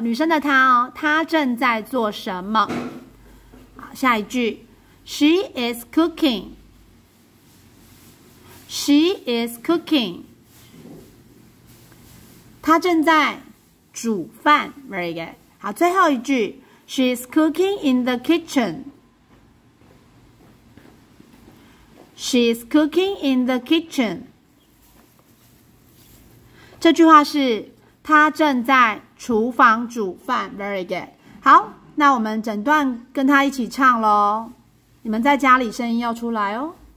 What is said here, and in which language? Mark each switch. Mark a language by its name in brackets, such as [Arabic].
[Chinese] 女生的她哦，她正在做什么？好，下一句 [English] ，She is cooking. She is cooking. [Chinese] 她正在煮饭。 [English] Very good. [Chinese] 好，最后一句 [English] ，She is cooking in the kitchen. She is cooking in the kitchen. [Chinese] 这句话是。他正在厨房煮饭 ， [English] very good。 [Chinese] 好，那我们整段跟他一起唱咯，你们在家里声音要出来哦。